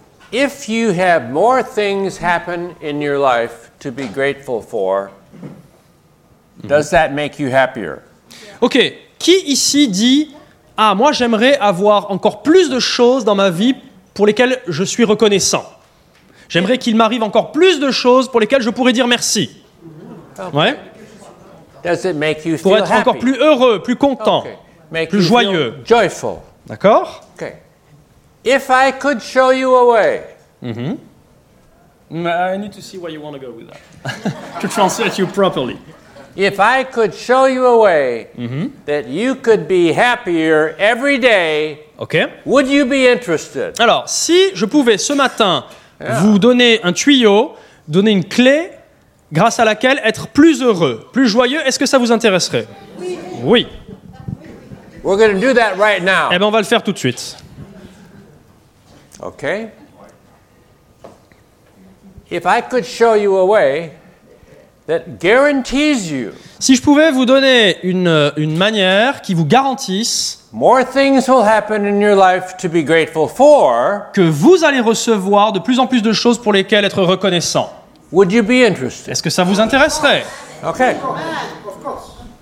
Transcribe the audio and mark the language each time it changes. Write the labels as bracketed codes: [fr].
[en] If you have more things happen in your life to be grateful for, does that make you happier? [fr] OK, qui ici dit ah moi j'aimerais avoir encore plus de choses dans ma vie pour lesquelles je suis reconnaissant. J'aimerais qu'il m'arrive encore plus de choses pour lesquelles je pourrais dire merci. Ouais. [en] Does it make you feel [fr] pour être encore [en] happy? [fr] Plus heureux, plus content, [en] okay. make [fr] plus [en] you [fr] joyeux. [en] Feel joyful. [fr] D'accord? [en] OK. If I could show you a way. Mm-hmm. I need to see where you want to go with that. To translate you properly. If I could show you a way that you could be happier every day, okay. Would you be interested? [fr] Alors, si je pouvais ce matin vous donner un tuyau, donner une clé grâce à laquelle être plus heureux, plus joyeux, est-ce que ça vous intéresserait? Oui. Oui. [en] We're going to do that right now. [fr] Eh bien, on va le faire tout de suite. [en] OK. If I could show you a way that guarantees you [fr] si je pouvais vous donner une manière qui vous garantisse [en] more things will happen in your life to be grateful for, [fr] que vous allez recevoir de plus en plus de choses pour lesquelles être reconnaissant. [en] Would you be interested? [fr] Est-ce que ça vous intéresserait? [en] Okay. Of course.